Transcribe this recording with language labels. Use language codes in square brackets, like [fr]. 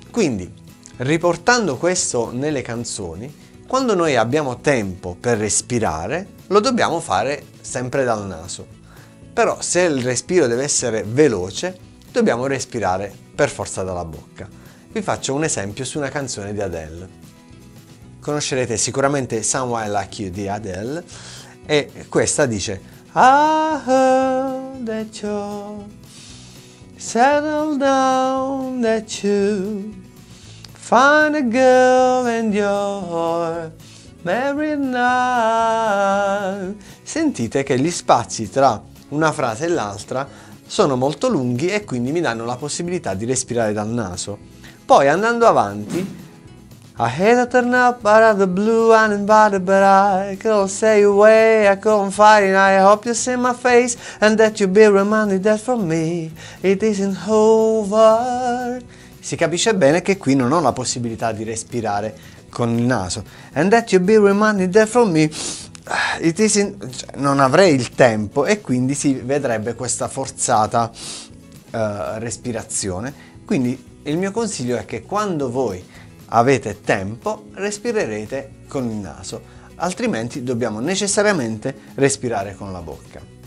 [it] Quindi, riportando questo nelle canzoni, quando noi abbiamo tempo per respirare, lo dobbiamo fare sempre dal naso. Però se il respiro deve essere veloce, dobbiamo respirare per forza dalla bocca. Vi faccio un esempio su una canzone di Adele. Conoscerete sicuramente Someone Like You di Adele, e questa dice: [en] I heard that you settled down, that you find a girl and you're married now. [it] Sentite che gli spazi tra una frase e l'altra sono molto lunghi e quindi mi danno la possibilità di respirare dal naso. Poi, andando avanti, [en] I hate to turn up out of the blue uninvited, but I can't stay away. I couldn't fight it. I hope you see my face and that you be reminded that for me it isn't over. [it] Si capisce bene che qui non ho la possibilità di respirare con il naso. [en] And that you be reminded that for me it isn't. [it] Non avrei il tempo e quindi si vedrebbe questa forzata respirazione. Quindi il mio consiglio è che quando voi avete tempo, respirerete con il naso, altrimenti dobbiamo necessariamente respirare con la bocca.